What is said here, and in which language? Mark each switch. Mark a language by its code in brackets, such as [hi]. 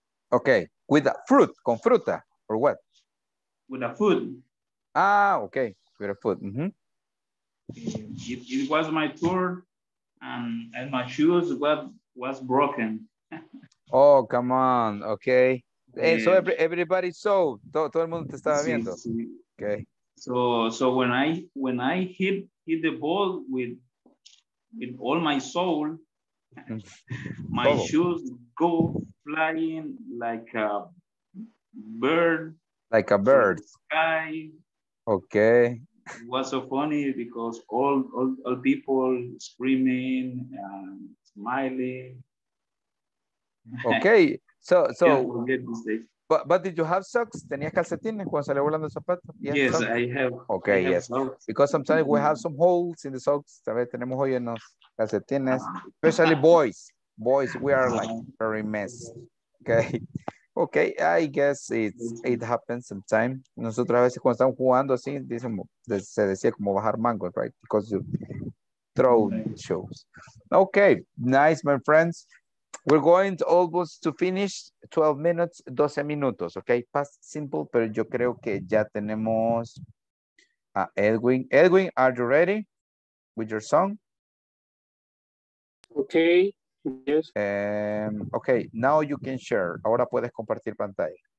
[en] Okay, with a fruit, [es] con fruta, [en] or what? With a food. Ah, okay, with a food. Mm-hmm. It was my tour, and my shoes was broken. Oh, come on, okay. Yeah. So everybody saw, [es] todo el mundo te estaba viendo. Sí, sí. Okay. [en] So when I hit the ball with all my soul, my shoes go flying like a bird. Like a bird. Sky. Okay. It was so funny because all people screaming and smiling. Okay. So but did you have socks? [es] ¿Tenías calcetines cuando salió volando el zapato? [en] Yes, socks? I have. Okay, I have yes. Socks. Because sometimes we have some holes in the socks. [es] ¿Sabes? Tenemos hoyos en los calcetines. [en] Especially boys. Boys, we are like very mess. Okay. Okay, I guess it happens sometimes. [es] Nosotros a veces cuando estamos jugando así, se decía como bajar mangos, right? [en] Because you throw shoes. Okay, nice, my friends. We're going to almost to finish 12 minutes, 12 minutos, okay? [es] Past simple, pero yo creo que ya tenemos a Edwin. [en] Edwin, are you ready with your song? Okay, yes. Okay, now you can share. [es] Ahora puedes compartir pantalla.